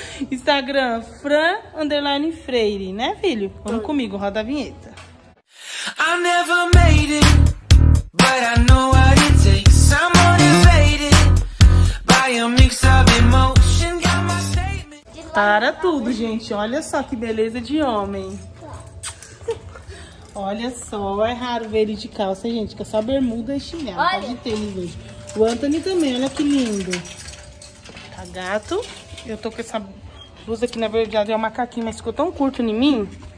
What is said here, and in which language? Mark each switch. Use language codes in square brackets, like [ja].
[pt] Instagram, Fran_Freire, né, filho? Vamos comigo, roda a vinheta. [en] I never made it, but I know what it takes. Some motivated by a mix of emotion. Got my statement. [pt] Para tudo, gente. Olha só que beleza de homem. Olha só, é raro ver ele de calça, gente, que é só bermuda e chinelo. Olha. Pode ter, gente. O Anthony também, olha que lindo. Tá gato. Eu tô com essa blusa aqui, na verdade, é um macaquinho, mas ficou tão curto em mim.